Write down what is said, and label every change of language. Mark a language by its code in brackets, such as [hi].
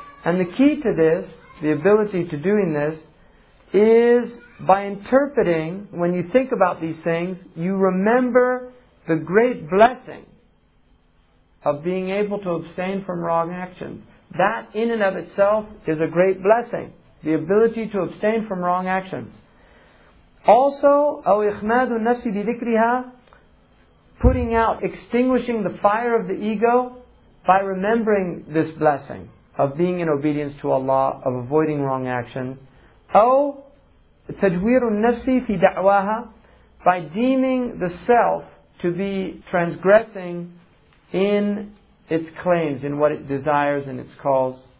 [en] And the key to this, the ability to doing this, is by interpreting, when you think about these things, you remember the great blessing of being able to abstain from wrong actions. That in and of itself is a great blessing. The ability to abstain from wrong actions. Also, [ar] أَوْ إِخْمَادُ النَّفْسِ بِذِكْرِهَا. [en] Putting out, extinguishing the fire of the ego by remembering this blessing of being in obedience to Allah, of avoiding wrong actions. [ar] أَوْ تَجْوِيرُ النَّفْسِ فِي دَعْوَاهَا. [en] By deeming the self to be transgressing in its claims, in what it desires and its calls.